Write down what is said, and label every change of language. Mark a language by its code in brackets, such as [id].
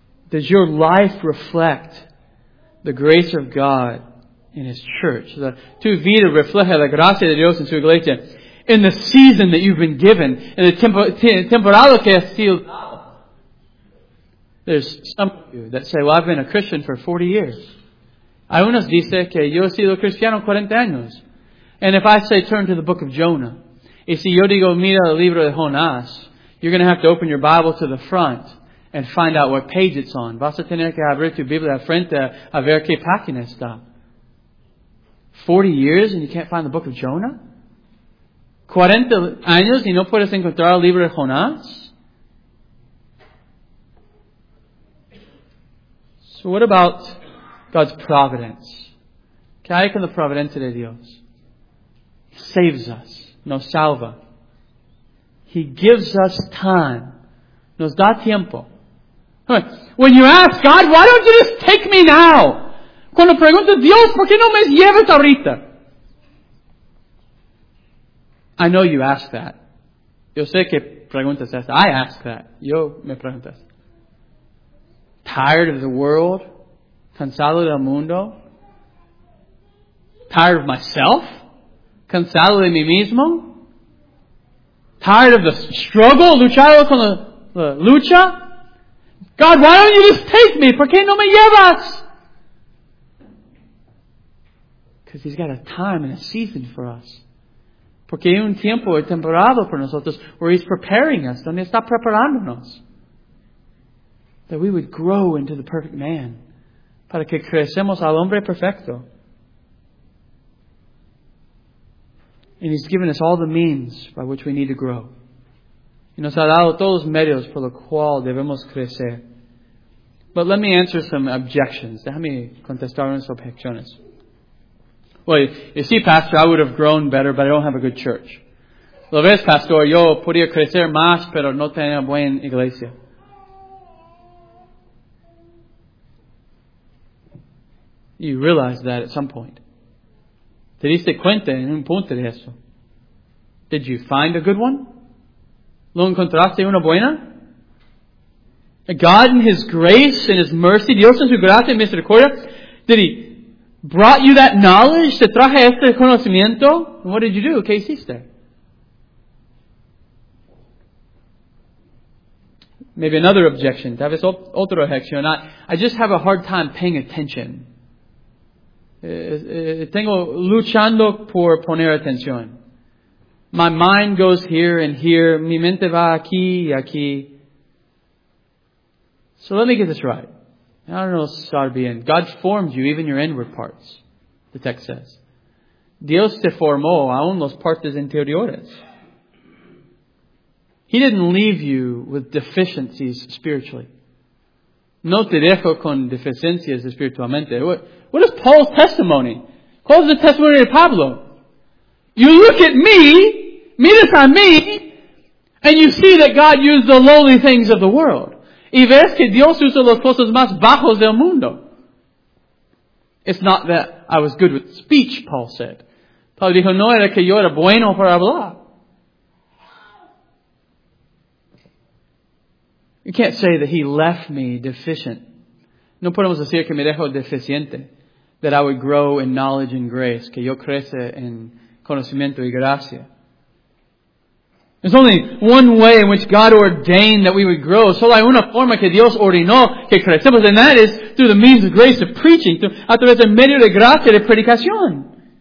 [en] Does your life reflect the grace of God in His church? [es] The tu vida refleja la gracia de Dios en su iglesia. [en] In the season that you've been given, in the [es] temporada que has sido. [en] There's some of you that say, well, I've been a Christian for 40 years. [es] Hay unos dice que yo he sido cristiano 40 años. [en] And if I say, turn to the book of Jonah, [es] y si yo digo, mira el libro de Jonás, [en] you're going to have to open your Bible to the front and find out what page it's on. [es] Vas a tener que abrir tu Biblia al frente a ver qué página está. [en] 40 years and you can't find the book of Jonah? [es] 40 años y no puedes encontrar el libro de Jonás? [en] So what about God's providence? [es] ¿Qué hay con la providencia de Dios? [en] He saves us. [es] Nos salva. [en] He gives us time. [es] Nos da tiempo. [en] When you ask God, why don't you just take me now? [es] Cuando pregunto a Dios, ¿por qué no me llevas ahorita? [en] I know you ask that. [es] Yo sé que preguntas eso. [en] I ask that. [es] Yo me preguntas. [en] Tired of the world? [es] Cansado del mundo? [en] Tired of myself? [es] Cansado de mí mismo? [en] Tired of the struggle? [es] Luchado con la lucha? [en] God, why don't you just take me? [es] ¿Por qué no me llevas? [en] Because He's got a time and a season for us. [es] Porque hay un tiempo y temporada por nosotros [en] where He's preparing us, [es] donde está preparándonos. [en] That we would grow into the perfect man. [es] Para que crecemos al hombre perfecto. [en] And He's given us all the means by which we need to grow. [es] Y nos ha dado todos los medios por los cuales debemos crecer. [en] But let me answer some objections. [es] Déjame contestar unas objeciones. [en] Well, you see, Pastor, I would have grown better, but I don't have a good church. [es] Lo ves, Pastor, yo podría crecer más, pero no tenía buena iglesia. [en] You realize that at some point. [es] ¿Te diste cuenta en un punto de eso? [en] Did you find a good one? [es] ¿Lo encontraste una buena? [en] God in His grace and His mercy, [es] Dios en su gracia y misericordia, [en] did He brought you that knowledge, [es] te traje este conocimiento, [en] and what did you do? [es] ¿Qué hiciste? [en] Maybe another objection. [es] Tal vez otra objeción. [en] I just have a hard time paying attention. [es] Tengo luchando por poner atención. [en] My mind goes here and here. [es] Mi mente va aquí y aquí. [en] So let me get this right. I don't know, Sarbian. God formed you, even your inward parts, the text says. [es] Dios te formó aún los partes interiores. [en] He didn't leave you with deficiencies spiritually. [es] No te dejo con deficiencias espiritualmente. [en] What is Paul's testimony? What is the testimony of Pablo? You look at me, [es] miras a mí, [en] and you see that God used the lowly things of the world. [es] Y ves que Dios usa los cosas más bajos del mundo. [en] It's not that I was good with speech, Paul said. [es] Paul dijo, no era que yo era bueno para hablar. [en] You can't say that he left me deficient. [es] No podemos decir que me dejó deficiente. [en] That I would grow in knowledge and grace. [es] Que yo crece en conocimiento y gracia. [en] There's only one way in which God ordained that we would grow. [es] Solo hay una forma que Dios ordenó que crecemos. [en] And that is through the means of grace of preaching. [es] A través del medio de gracia de predicación.